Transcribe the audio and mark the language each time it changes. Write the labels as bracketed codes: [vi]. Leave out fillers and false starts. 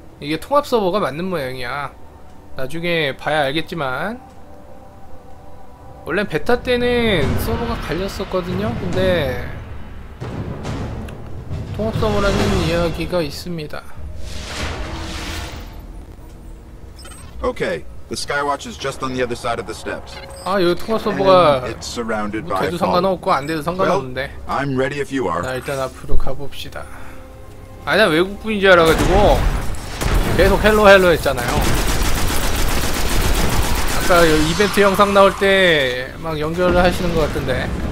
[ko] 이게 통합 서버가 맞는 모양이야. 나중에 봐야 알겠지만 원래 베타 때는 서버가 갈렸었거든요. 근데 통합 서버라는 이야기가 있습니다. [en] Okay, the Skywatch is just on the other side of the steps. [ko] 아, 여기 통합 서버가 돼도 상관없고 안 돼도 상관없는데. [en] I'm ready if you are. [ko] 자, 일단 앞으로 가봅시다. 아니야, 외국분인 줄 알아가지고 계속 헬로 헬로 했잖아요. 아까 이벤트 영상 나올 때 막 연결을 하시는 것 같은데.